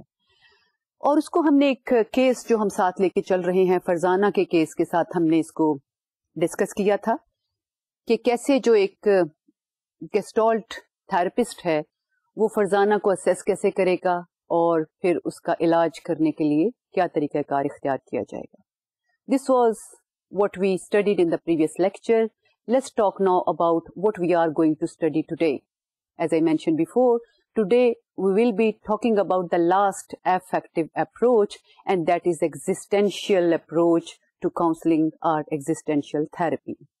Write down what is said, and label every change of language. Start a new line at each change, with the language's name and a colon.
Urdu: اور اس کو ہم نے ایک کیس جو ہم ساتھ لے کے چل رہے ہیں فرزانہ کے کیس کے ساتھ ہم نے اس کو ڈسکس کیا تھا کہ کیسے جو ایک گیسٹالٹ تھراپسٹ ہے وہ فرزانہ کو اسیس کیسے کرے گا اور پھر اس کا علاج کرنے کے لیے کیا طریقہ کار اختیار کیا جائے گا.
English: This was what we studied in the previous lecture. Let's talk now about what we are going to study today. As I mention before, today we will be talking about the last affective approach, and that is existential approach to counselling or existential therapy.